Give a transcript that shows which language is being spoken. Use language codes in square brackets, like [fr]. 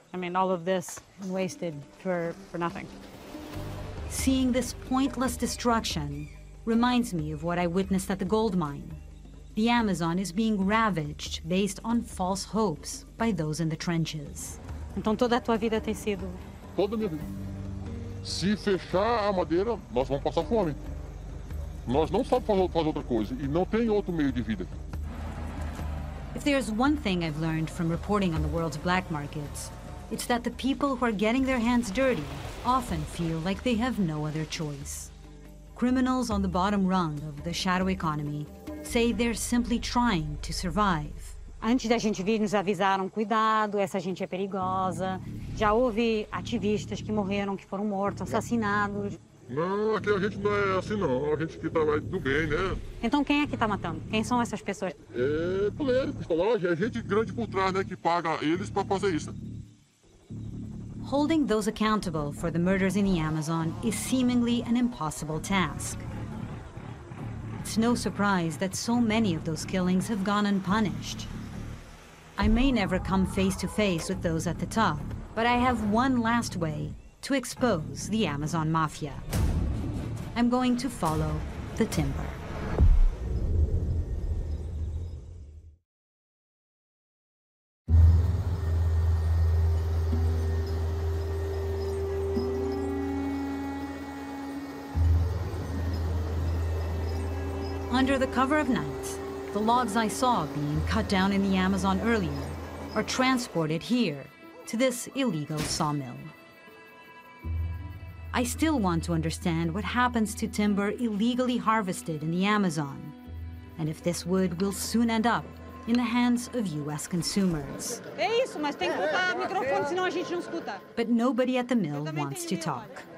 [en] I mean, all of this wasted for nothing. Seeing this pointless destruction reminds me of what I witnessed at the gold mine. The Amazon is being ravaged based on false hopes by those in the trenches. [pt] Então toda a tua vida tem sido toda a minha vida. Se fechar a madeira, nós vamos passar fome. Nós não sabemos fazer outra coisa e não tem outro meio de vida. [en] If there's one thing I've learned from reporting on the world's black markets, it's that the people who are getting their hands dirty often feel like they have no other choice. Criminals on the bottom rung of the shadow economy say they're simply trying to survive. [pt] Antes da gente vir, nos avisaram, cuidado, essa gente é perigosa. Já houve ativistas que morreram, que foram mortos, assassinados. Não, aqui a gente não é assim não, a gente aqui tá do bem, né? Então quem é que tá matando? Quem são essas pessoas? É clérigo, é gente grande por trás, né, que paga eles para fazer isso. [en] Holding those accountable for the murders in the Amazon is seemingly an impossible task. It's no surprise that so many of those killings have gone unpunished. I may never come face to face with those at the top, but I have one last way to expose the Amazon Mafia. I'm going to follow the timber. Under the cover of night, the logs I saw being cut down in the Amazon earlier are transported here to this illegal sawmill. I still want to understand what happens to timber illegally harvested in the Amazon, and if this wood will soon end up in the hands of U.S. consumers. [pt] É isso, mas tem que botar microfone, senão a gente não escuta. [en] But nobody at the mill wants to talk.